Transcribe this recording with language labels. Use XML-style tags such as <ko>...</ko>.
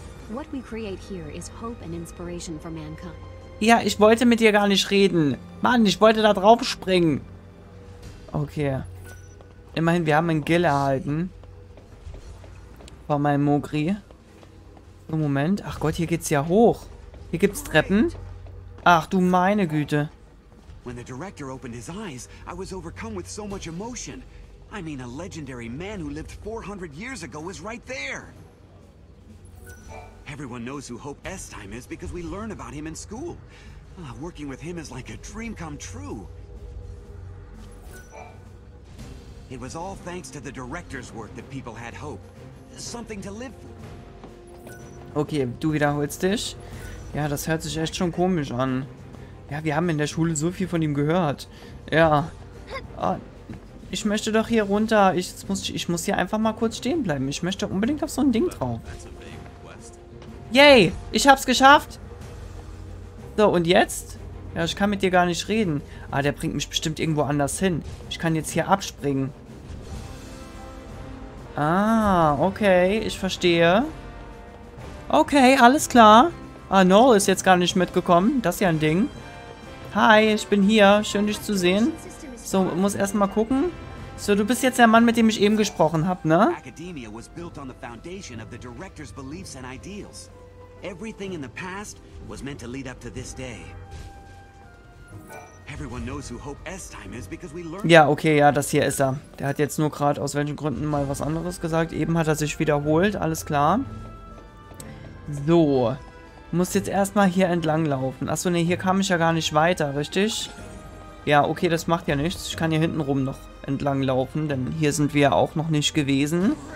<en>What we create here is hope and inspiration for mankind.</en> <de>Ja, ich wollte mit dir gar nicht reden. Mann, ich wollte da drauf springen. Okay. Immerhin, wir haben einen Gill erhalten. Von meinem Mogri. So, Moment. Ach Gott, hier geht's ja hoch. Hier gibt's Treppen. Ach du meine Güte.</de> <en>When the director opened his eyes, I was overcome with so much emotion. I mean, a legendary man who lived 400 years ago was right there. Everyone knows who Hope Estime is because we learn about him in school. Working with him is like a dream come true. It was all thanks to the director's work that people had hope. Something to live for. Okay,</en> <de>du wiederholst dich. Ja, das hört sich echt schon komisch an. Ja, wir haben in der Schule so viel von ihm gehört. Ja. Ich möchte doch hier runter. Ich muss hier einfach mal kurz stehen bleiben. Ich möchte unbedingt auf so ein Ding drauf. Yay! Ich hab's geschafft! So, und jetzt? Ja, ich kann mit dir gar nicht reden. Ah, der bringt mich bestimmt irgendwo anders hin. Ich kann jetzt hier abspringen. Ah, okay. Ich verstehe. Okay, alles klar. Ah, Noel ist jetzt gar nicht mitgekommen. Das ist ja ein Ding. Hi, ich bin hier. Schön, dich zu sehen. So, muss erstmal gucken. So, du bist jetzt der Mann, mit dem ich eben gesprochen habe, ne?</de> <en>Academia was built on the foundation of the director's beliefs and ideals. Everything in the past was meant to lead up to this day. Everyone knows who Hope Estime is because we learned.</en> <de>Ja, okay, ja, das hier ist er. Der hat jetzt nur gerade aus welchen Gründen mal was anderes gesagt. Eben hat er sich wiederholt, alles klar. So. Muss jetzt erstmal hier entlang laufen. Achso, ne, hier kam ich ja gar nicht weiter, richtig? Ja, okay, das macht ja nichts. Ich kann hier hinten rum noch entlang laufen, denn hier sind wir ja auch noch nicht gewesen.</de>